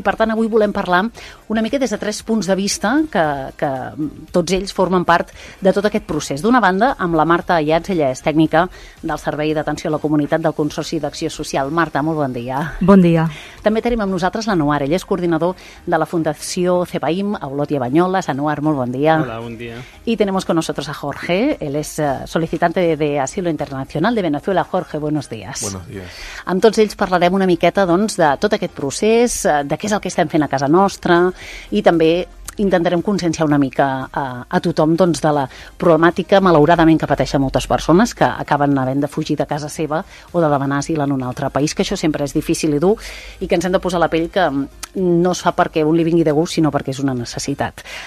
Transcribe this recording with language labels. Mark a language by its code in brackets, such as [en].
[ca] I, per tant, avui volem parlar una mica des de tres punts de vista que tots ells formen part de tot aquest procés. D'una banda, amb la Marta Ayats, ella és tècnica del Servei d'Atenció a la Comunitat del Consorci d'Acció Social. Marta, molt bon dia. Bon dia. També tenim amb nosaltres l'Anuar. Ell és coordinador de la Fundació Cebaim, a Olot i a Banyoles. Anuar, molt bon dia. Hola, bon dia. [es] Y tenemos con nosotros a Jorge. Él es solicitante de asilo internacional de Venezuela. Jorge, buenos días. Buenos días. [ca] Amb tots ells parlarem una miqueta doncs, de tot aquest procés, de què és el que estem fent a casa nostra i també intentarem conscienciar una mica a tothom doncs, de la problemàtica, malauradament, que pateixen moltes persones que acaben havent de fugir de casa seva o de demanar asil en un altre país, que això sempre és difícil i dur i que ens hem de posar la pell que no es fa perquè un li vingui de gust, sinó perquè és una necessitat.